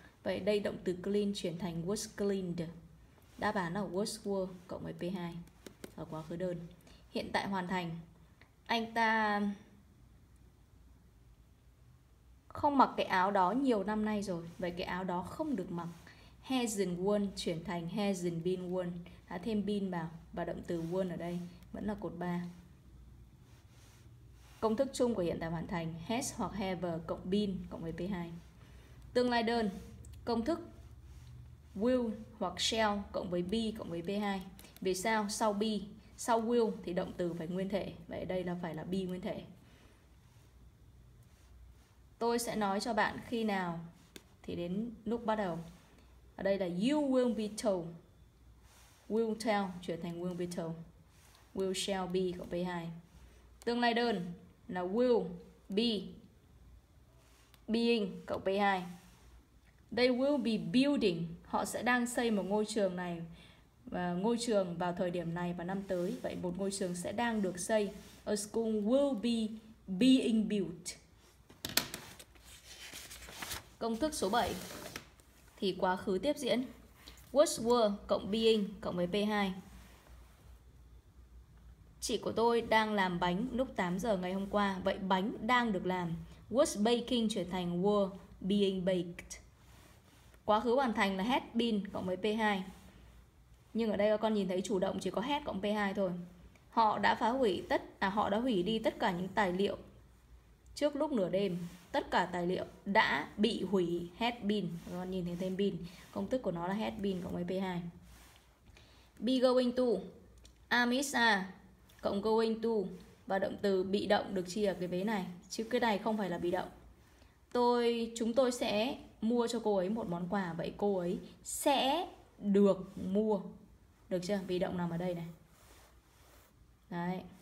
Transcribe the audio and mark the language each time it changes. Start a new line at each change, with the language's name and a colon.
Vietnamese: Vậy đây động từ clean chuyển thành was cleaned. Đáp án là was were cộng với P2 ở quá khứ đơn. Hiện tại hoàn thành. Anh ta không mặc cái áo đó nhiều năm nay rồi. Vậy cái áo đó không được mặc.
English: Hasn't worn
Vietnamese: chuyển thành
English: hasn't been worn.
Vietnamese: Đã thêm been vào. Và động từ worn ở đây vẫn là cột 3. Công thức chung của hiện tại hoàn thành. Has hoặc have cộng been cộng với P2. Tương lai đơn. Công thức will hoặc shall cộng với be cộng với P2. Vì sao? Sau be, sau will thì động từ phải nguyên thể. Vậy đây là phải là be nguyên thể. Tôi sẽ nói cho bạn khi nào thì đến lúc bắt đầu. Ở đây là
English: you will be told. Will tell
Vietnamese: chuyển thành
English: will be told.
Vietnamese: Will shall be cộng P2. Tương lai đơn là will be being cộng P2.
English: They will be building.
Vietnamese: Họ sẽ đang xây một ngôi trường này. Ngôi trường vào thời điểm này và năm tới. Vậy một ngôi trường sẽ đang được xây.
English: A school will be being built.
Vietnamese: Công thức số 7 thì quá khứ tiếp diễn. Was were cộng being cộng với P2. Chị của tôi đang làm bánh lúc 8 giờ ngày hôm qua. Vậy bánh đang được làm.
English: Was baking
Vietnamese: chuyển thành
English: were being baked.
Vietnamese: Quá khứ hoàn thành là had been cộng với P2. Nhưng ở đây các con nhìn thấy chủ động chỉ có had cộng P2 thôi. Họ đã phá hủy tất à, họ đã hủy đi tất cả những tài liệu trước lúc nửa đêm. Tất cả tài liệu đã bị hủy, had been. Các con nhìn thấy thêm been. Công thức của nó là had been cộng với P2.
English: Be going to, am is a cộng going to.
Vietnamese: Và động từ bị động được chia ở cái vế này. Chứ cái này không phải là bị động. Chúng tôi sẽ mua cho cô ấy một món quà. Vậy cô ấy sẽ được mua. Được chưa? Bị động nằm ở đây này. Đấy.